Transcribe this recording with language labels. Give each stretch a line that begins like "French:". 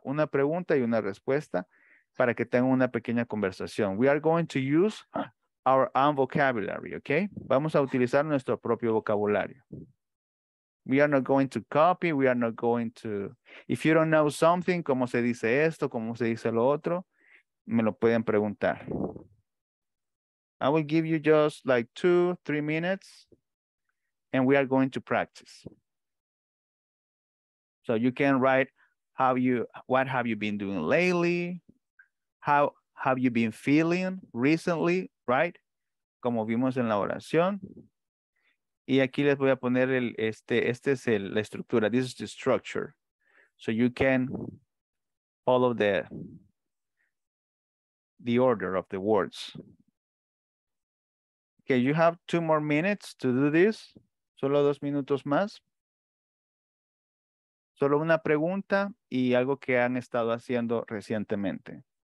Spanish: Una pregunta y una respuesta para que tengan una pequeña conversación.
English: We are going to use our own vocabulary, okay?
Spanish: Vamos a utilizar nuestro propio vocabulario.
English: We are not going to copy, we are not going to... If you don't know something,
Spanish: ¿cómo se dice esto? ¿Cómo se dice lo otro? Me lo pueden preguntar.
English: I will give you just like 2-3 minutes, and we are going to practice. So you can write what have you been doing lately? How have you been feeling recently?
Spanish: right? Como vimos en la oración. Y aquí les voy a poner el, la estructura.
English: This is the structure. So you can follow the order of the words. Okay, you have 2 more minutes to do this.
Spanish: Solo 2 minutos más. Solo una pregunta y algo que han estado haciendo recientemente.